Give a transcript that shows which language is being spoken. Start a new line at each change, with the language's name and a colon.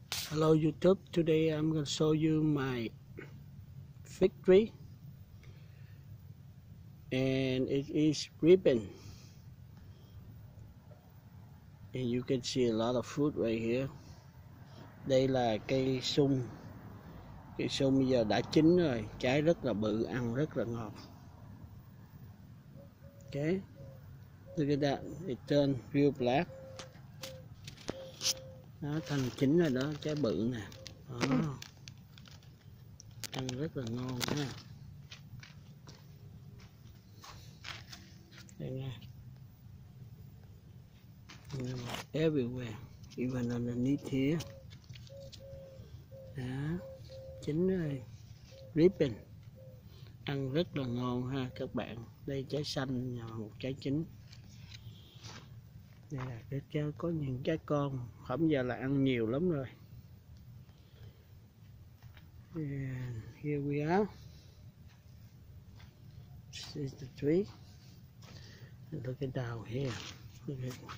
English: Hello YouTube, today I'm going to show you my fig tree, and it is ripen, and you can see a lot of fruit right here.
Vietnamese: Đây là cây sung bây giờ đã chín rồi, trái rất là bự, ăn rất là ngọt.
English: Okay, look at that, it turned real black.
Vietnamese: Đó, thành chín rồi đó, trái bự nè. Đó. Ăn rất là ngon ha. Đây nha.
English: Everywhere, even underneath here.
Vietnamese: Đó, chín rồi.
English: Ripping.
Vietnamese: Ăn rất là ngon ha các bạn. Đây trái xanh nhờ một trái chín. Đây là cái trái, có những trái con không giờ là ăn nhiều lắm rồi.
English: And here we are, this is the tree. And look at down here, look at it.